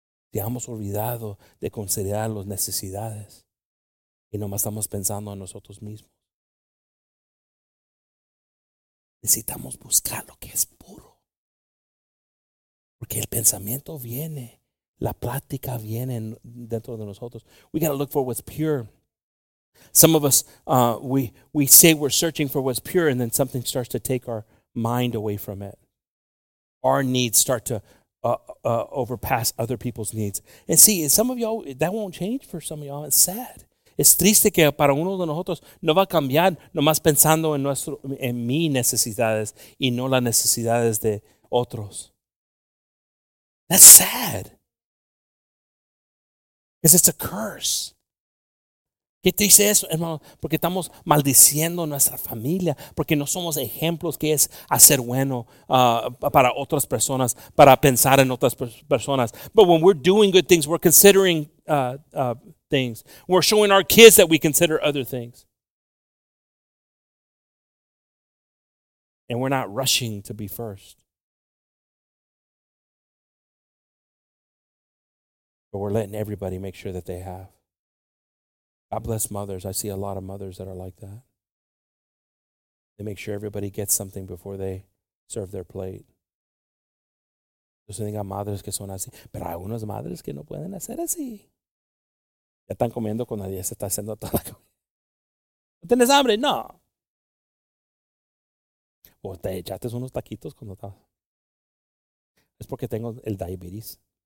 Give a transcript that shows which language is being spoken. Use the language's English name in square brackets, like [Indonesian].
[Spanish] Te hemos olvidado de considerar las necesidades y nomás estamos pensando en nosotros mismos. Necesitamos buscar lo que es puro. Porque el pensamiento viene, la práctica viene dentro de nosotros. [English] We got to look for what's pure. Some of us, we say we're searching for what's pure and then something starts to take our mind away from it. Our needs start to overpass other people's needs. And see, some of y'all, that won't change for some of y'all. It's sad. [Spanish] Es triste que para uno de nosotros no va a cambiar nomás pensando en mis necesidades y no las necesidades de otros. [English] That's sad. Because it's a curse. [Spanish] ¿Qué te dice eso, hermano? Porque estamos maldiciendo nuestra familia, porque no somos ejemplos que es hacer bueno para otras personas, para pensar en otras personas. [English] But when we're doing good things, we're considering things. We're showing our kids that we consider other things. And we're not rushing to be first. But we're letting everybody make sure that they have. God bless mothers. I see a lot of mothers that are like that. They make sure everybody gets something before they serve their plate. [Spanish] Yo sé que hay madres que son así, pero hay unas madres que no pueden hacer así. Ya están comiendo cuando ya se está haciendo toda la comida. ¿Tienes hambre? No. O te echaste unos taquitos cuando estás. Es porque tengo el diabetes.